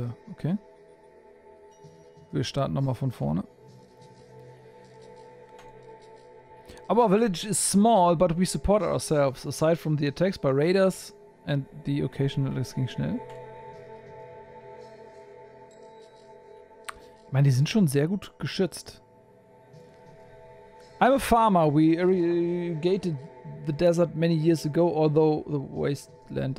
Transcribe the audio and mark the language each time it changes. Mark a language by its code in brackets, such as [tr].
[de] Okay. Wir starten nochmal von vorne. [en] Our village is small, but we support ourselves. Aside from the attacks by raiders and the occasional... [de] Das ging schnell. Ich meine, die sind schon sehr gut geschützt. [en] I'm a farmer. We irrigated the desert many years ago, although the wasteland...